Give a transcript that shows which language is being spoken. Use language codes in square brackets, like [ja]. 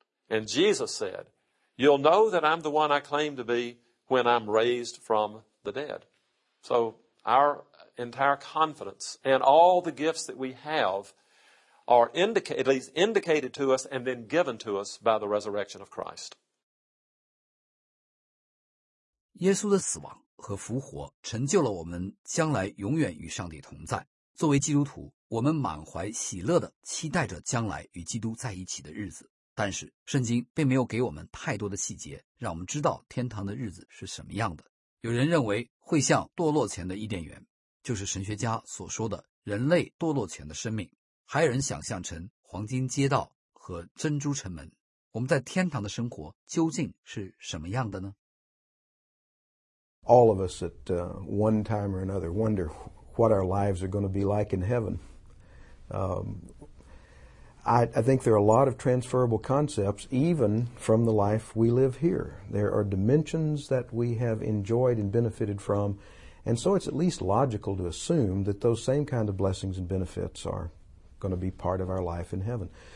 [en] And Jesus said, "You'll know that I'm the one I claim to be when I'm raised from the dead." So our entire confidence and all the gifts that we have are at least indicated to us and then given to us by the resurrection of Christ. [zh] 耶稣的死亡和复活成就了我们将来永远与上帝同在。作为基督徒，我们满怀喜乐地期待着将来与基督在一起的日子。但是圣经并没有给我们太多的细节让我们知道天堂的日子是什么样的。有人认为会像堕落前的伊甸园，就是神学家所说的人类堕落前的生命，还有人想象成黄金街道和珍珠城门。我们在天堂的生活究竟是什么样的呢？ [en] All of us at one time or another wonder what our lives are going to be like in heaven. I think there are a lot of transferable concepts even from the life we live here. There are dimensions that we have enjoyed and benefited from, and so it's at least logical to assume that those same kind of blessings and benefits are going to be part of our life in heaven.